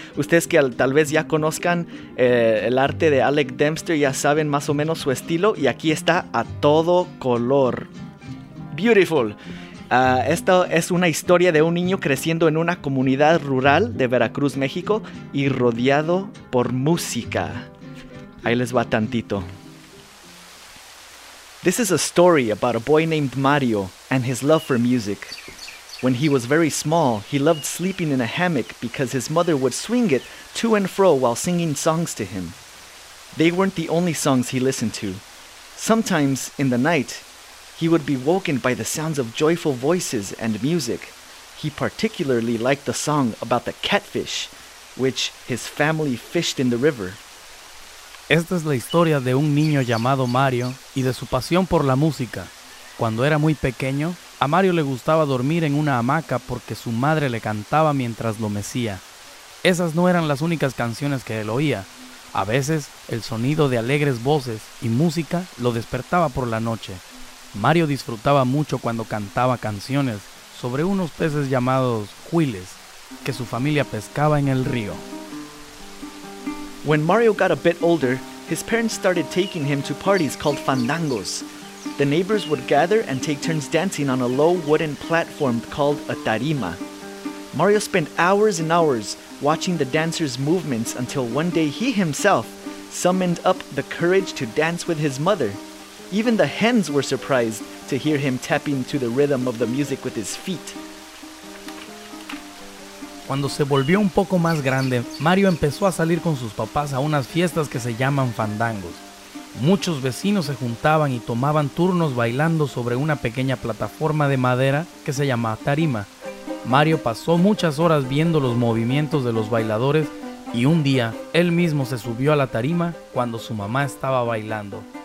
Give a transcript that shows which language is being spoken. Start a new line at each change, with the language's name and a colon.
Spanish: Ustedes que tal vez ya conozcan el arte de Alec Dempster, ya saben más o menos su estilo, y aquí está a todo color.
English: Beautiful.
Spanish: Esta es una historia de un niño creciendo en una comunidad rural de Veracruz, México, y rodeado por música. Ahí les va tantito.
English: This is a story about a boy named Mario and his love for music. When he was very small, he loved sleeping in a hammock because his mother would swing it to and fro while singing songs to him. They weren't the only songs he listened to. Sometimes, in the night, he would be woken by the sounds of joyful voices and music. He particularly liked the song about the catfish, which his family fished in the river.
Spanish: Esta es la historia de un niño llamado Mario y de su pasión por la música. Cuando era muy pequeño, a Mario le gustaba dormir en una hamaca porque su madre le cantaba mientras lo mecía. Esas no eran las únicas canciones que él oía. A veces, el sonido de alegres voces y música lo despertaba por la noche. Mario disfrutaba mucho cuando cantaba canciones sobre unos peces llamados juiles que su familia pescaba en el río.
English: When Mario got a bit older, his parents started taking him to parties called fandangos. The neighbors would gather and take turns dancing on a low wooden platform called a tarima. Mario spent hours and hours watching the dancers' movements until one day he himself summoned up the courage to dance with his mother. Even the hens were surprised to hear him tapping to the rhythm of the music with his feet.
Spanish: Cuando se volvió un poco más grande, Mario empezó a salir con sus papás a unas fiestas que se llaman fandangos. Muchos vecinos se juntaban y tomaban turnos bailando sobre una pequeña plataforma de madera que se llama tarima. Mario pasó muchas horas viendo los movimientos de los bailadores y un día él mismo se subió a la tarima cuando su mamá estaba bailando.